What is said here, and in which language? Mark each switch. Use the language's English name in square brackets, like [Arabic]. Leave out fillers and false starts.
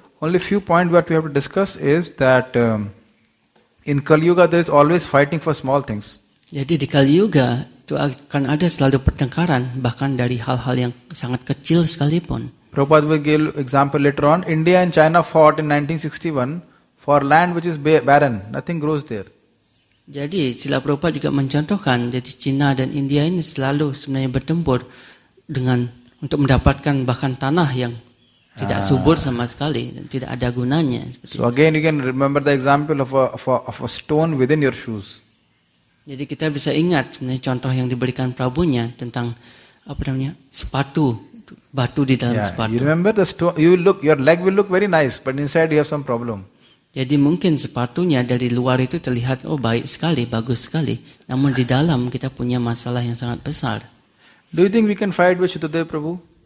[English] Only few points what we have to discuss is that in Kali Yuga there is always fighting for small things. [Indonesian] Jadi di Kali Yuga itu akan ada selalu pertengkaran, bahkan dari hal-hal yang sangat kecil sekalipun. [English] Prabhupada will give example later on. India and China fought in 1961 for land which is barren. Nothing grows there. [Indonesian] Jadi Srila Prabhupada juga mencontohkan, jadi China dan India ini selalu sebenarnya bertempur dengan untuk mendapatkan bahkan tanah yang tidak subur sama sekali dan tidak ada gunanya. [English] So again you can remember the example of a stone within your shoes. [Indonesian] Jadi kita bisa ingat sebenarnya contoh yang diberikan Prabhunya tentang apa namanya sepatu. Batu di dalam sepatu. [English] You remember the stone? You look, your leg will look very nice, but inside you have some problem. [Indonesian] Jadi mungkin sepatunya dari luar itu terlihat oh baik sekali, bagus sekali. Namun di dalam kita punya masalah yang sangat besar. [English] Do you think we can fight with Sutadeva Prabhu?